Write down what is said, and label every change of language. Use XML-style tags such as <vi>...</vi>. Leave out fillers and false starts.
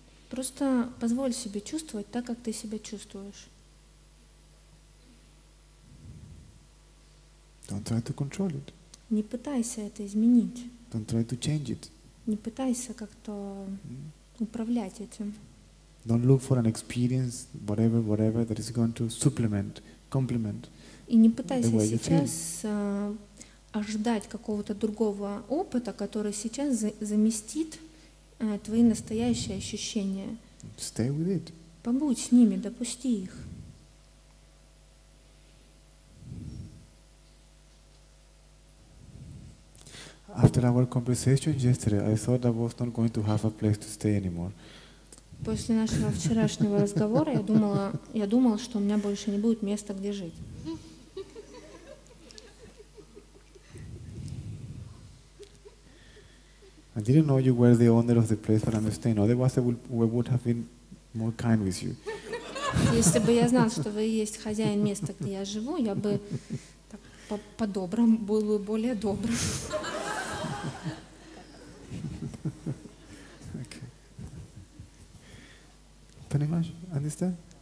<ru>Просто позволь себе чувствовать так, как ты себя чувствуешь.</ru> <en>Don't try to control it.</en> <ru>Не пытайся это изменить.</ru> <en>Don't try to change it.</en> <ru>Не пытайся как-то управлять этим.</ru> <en>Don't look for an experience, whatever, that is going to supplement, complement the way you feel.</en> <ru>И не пытайся сейчас ожидать какого-то другого опыта, который сейчас заместит твои настоящие ощущения.</ru> <en>Stay with it.</en> <ru>Побудь с ними, допусти их.</ru> <en>After our conversation yesterday, I thought I was not going to have a place to stay anymore.</en> <ru>После нашего вчерашнего разговора я думала, что у меня больше не будет места, где жить.</ru> <en>I didn't know you were the owner of the place where I'm staying. Otherwise, I would have been more kind with you.</en> <ru>Если бы я знал, что вы есть хозяин места, где я живу, я бы так по-добром был бы более добрым.</ru> <en>Okay.</en> <ru>Понимаешь?</ru> <en>Understand?</en>